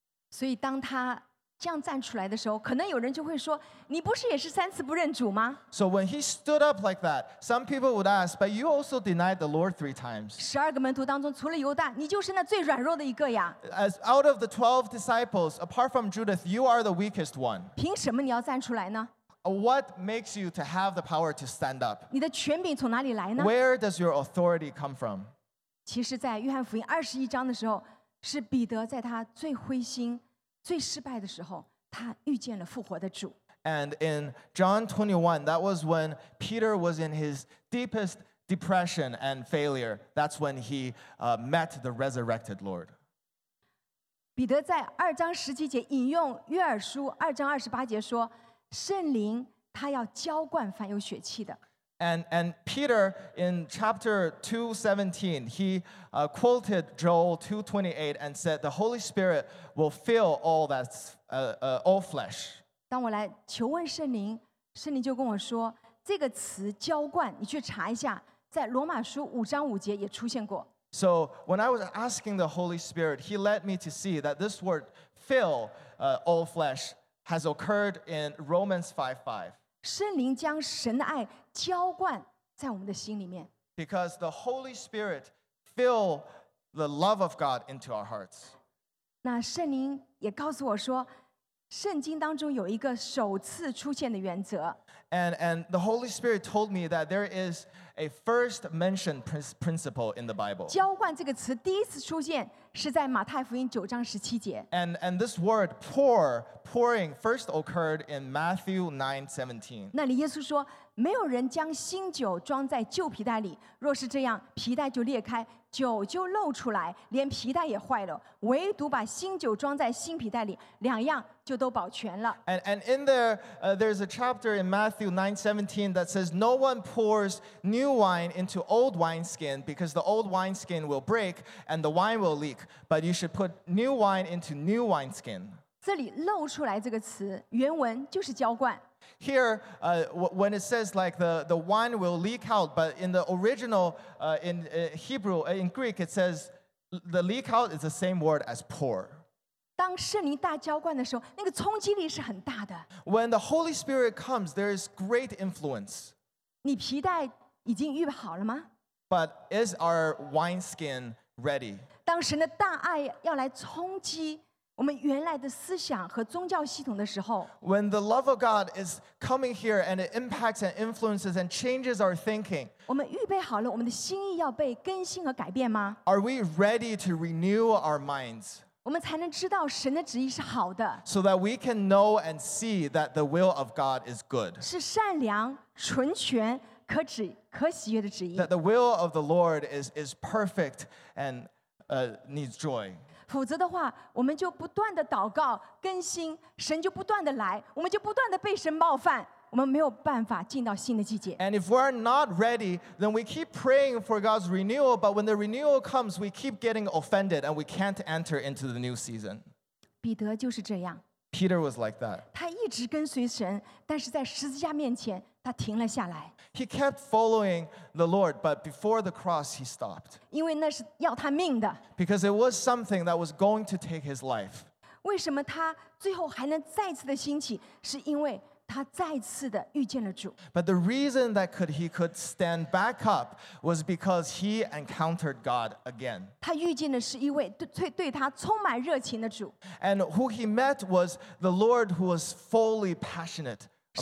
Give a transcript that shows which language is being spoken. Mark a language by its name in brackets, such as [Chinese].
[Chinese] 所以当他这样站出来的时候，可能有人就会说，你不是也是三次不认主吗？ [English] So when he stood up like that, some people would ask, but you also denied the Lord three times. [Chinese] 十二个门徒当中，除了犹大，你就是那最软弱的一个呀。 [English] As out of the 12 disciples, apart from Judith, you are the weakest one. [Chinese] 凭什么你要站出来呢？ [English] What makes you to have the power to stand up? [Chinese] 你的权柄从哪里来呢？ [English] Where does your authority come from? [Chinese] 其实在约翰福音二十一章的时候，是彼得在他最灰心、最失败的时候，他遇见了复活的主。 [English] And in John 21, that was when Peter was in his deepest depression and failure. That's when he met the resurrected Lord. [Chinese] 彼得在二章十七节引用约珥书二章二十八节说：“圣灵他要浇灌凡有血气的。” [English] And Peter in chapter 2:17, he quoted Joel 2:28 and said, "The Holy Spirit will fill all that's all flesh." [Chinese] 当我来求问圣灵，圣灵就跟我说，这个词浇灌，你去查一下，在罗马书五章五节也出现过。 [English] So when I was asking the Holy Spirit, he led me to see that this word "fill all flesh" has occurred in Romans 5:5. [Chinese] 圣灵将神的爱浇灌在我们的心里面。 [English] Because the Holy Spirit fills the love of God into our hearts. [Chinese] 那圣灵也告诉我说，圣经当中有一个首次出现的原则。 [English] And the Holy Spirit told me that there is a first mentioned principle in the Bible. [Chinese] 浇灌这个词第一次出现是在马太福音九章十七节。 [English] And this word pouring first occurred in Matthew 9:17. [Chinese] 那里耶稣说，没有人将新酒装在旧皮袋里，若是这样，皮袋就裂开，酒就漏出来，连皮袋也坏了。唯独把新酒装在新皮袋里，两样就都保全了。 [English] And in there, there's a chapter in Matthew 9:17 that says, "No one pours new wine into old wine skin, because the old wine skin will break and the wine will leak. But you should put new wine into new wine skin." [Chinese] 这里漏出来这个词，原文就是浇灌。 [English] Here, when it says like the wine will leak out, but in the original, in Hebrew, in Greek, it says the leak out is the same word as pour. [Chinese] 当圣灵大浇灌的时候，那个冲击力是很大的。 [English] When the Holy Spirit comes, there is great influence. [Chinese] 你皮带已经预备好了吗？ [English] But is our wineskin ready? [Chinese] 当神的大爱要来冲击我们原来的思想和宗教系统的时候， [English] When the love of God is coming here and it impacts and influences and changes our thinking, [Chinese] 我们预备好了我们的心意要被更新和改变吗？ [English] Are we ready to renew our minds? [Chinese] 我们才能知道神的旨意是好的， [English] So that we can know and see that the will of God is good. [Chinese] 是善良、纯全、可旨、可喜悦的旨意。 [English] That the will of the Lord is perfect and needs joy. [Chinese] 否则的话，我们就不断的祷告更新，神就不断的来，我们就不断的被神冒犯，我们没有办法进到新的季节。 [English] And if we're not ready, then we keep praying for God's renewal, but when the renewal comes, we keep getting offended and we can't enter into the new season. [Chinese] 彼得就是这样。 [English] Peter was like that. [Chinese] 他一直跟随神，但是在十字架面前，他停了下来。 [English] He kept following the Lord, but before the cross, he stopped. [Chinese] 因为那是要他命的。 [English] Because it was something that was going to take his life. [Chinese] 为什么他最后还能再次的兴起？是因为他再次的遇见了主。 [English] But the reason that he could stand back up was because he encountered God again. [Chinese] 他遇见的是一位对他充满热情的主。 [English] And who he met was the Lord who was fully passionate about him.